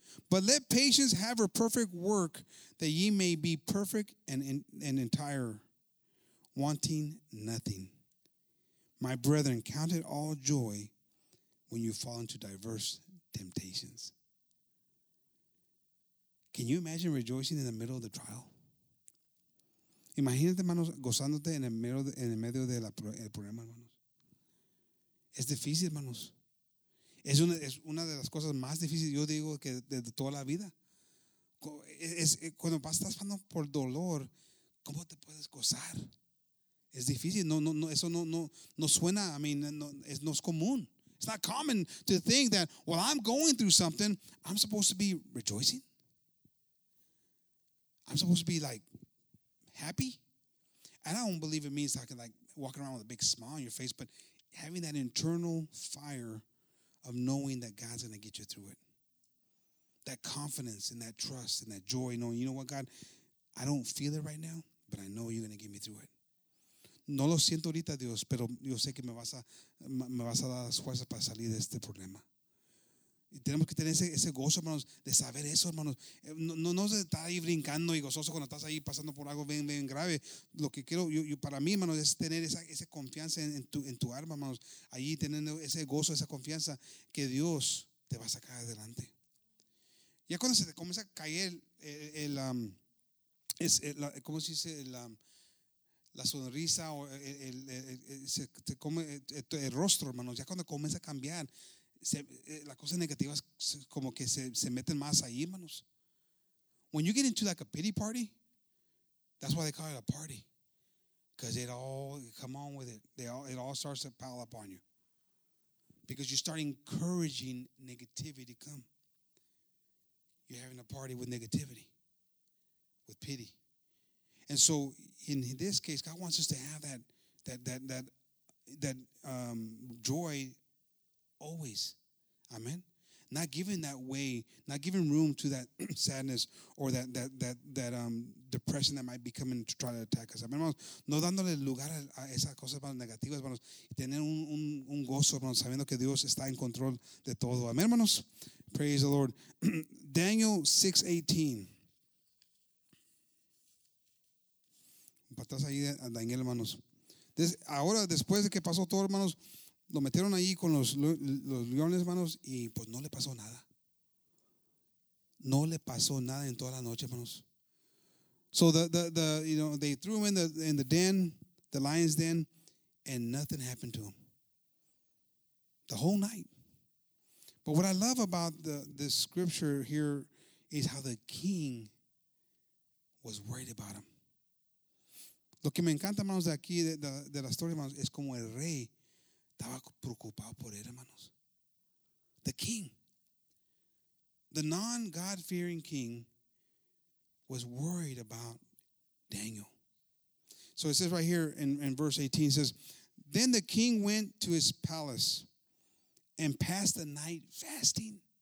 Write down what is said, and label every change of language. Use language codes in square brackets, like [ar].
[en] But let patience have her perfect work, that ye may be perfect and entire, wanting nothing. My brethren, count it all joy when you fall into diverse temptations. Can you imagine rejoicing in the middle of the trial? [es] Imagínate, hermanos, gozándote en el medio del problema, hermanos. Es difícil, hermanos. Es una de las cosas más difíciles, yo digo, que de toda la vida. Cuando estás pasando por dolor, ¿cómo te puedes gozar? Es difícil. No es común. [en] It's not common to think that while I'm going through something, I'm supposed to be rejoicing. I'm supposed to be, like, happy. And I don't believe it means talking, like, walking around with a big smile on your face, but having that internal fire of knowing that God's going to get you through it. That confidence and that trust and that joy, knowing, you know what, God, I don't feel it right now, but I know you're going to get me through it. [es] No lo siento ahorita, Dios, pero yo sé que me vas a dar las fuerzas para salir de este problema. Y tenemos que tener ese gozo, hermanos, de saber eso, hermanos. No se está ahí brincando y gozoso cuando estás ahí pasando por algo bien, bien grave. Lo que quiero, yo para mí, hermanos, es tener esa confianza en tu alma, hermanos. Ahí teniendo ese gozo, esa confianza, que Dios te va a sacar adelante. Ya cuando se te comienza a caer la sonrisa o el rostro, hermanos, ya cuando comienza a cambiar, las cosas negativas como que se meten más ahí, hermanos. [en] When you get into like a pity party, that's why they call it a party. Because it all, come on with it, it all starts to pile up on you. Because you start encouraging negativity to come. You're having a party with negativity, with pity. And so in this case, God wants us to have that joy always. Amen. Not giving that way, not giving room to that sadness or that depression that might be coming to try to attack us. [es] Amen, hermanos. No dándole lugar a esas cosas más negativas, hermanos. Tener un gozo, hermanos, sabiendo que Dios está en control de todo. [en] Amen, hermanos. Praise the Lord. Daniel 6:18. [es] Patas ahí a Daniel, hermanos. Ahora, después de que pasó todo, hermanos, lo metieron ahí con los leones, hermanos, y pues no le pasó nada. No le pasó nada en toda la noche, hermanos. [en] So they threw him in the den, the lion's den, and nothing happened to him the whole night. But what I love about the scripture here is how the king was worried about him. [es] Lo que me encanta, hermanos, de aquí, de la historia, hermanos, es como el rey estaba preocupado por él, hermanos. [en] The king. The non-God-fearing king was worried about Daniel. So it says right here in verse 18, it says, then the king went to his palace and passed the night fasting.